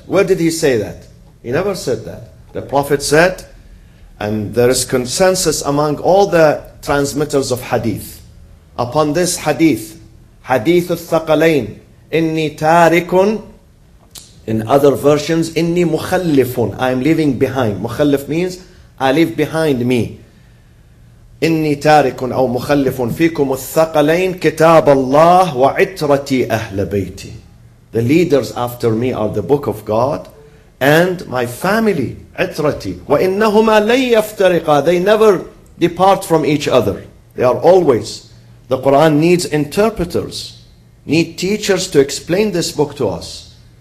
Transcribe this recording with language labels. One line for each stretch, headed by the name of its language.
English: Where did he say that? He never said that. The Prophet said, and there is consensus among all the transmitters of hadith, upon this hadith, hadith al-thaqalain,
Arabic: inni tarikun,
English: in other versions,
Arabic: inni mukhallifun,
English: I am leaving behind. Mukhallif means, I leave behind me.
Arabic: إني تارك أو مخلف فيكم الثقلين كتاب الله وعترتي أهل بيتي.
English: The leaders after me are the book of God and my family, عترتي.
Arabic: وإنهما لن يفترقا.
English: They never depart from each other. They are always. The Quran needs interpreters, need teachers to explain this book to us.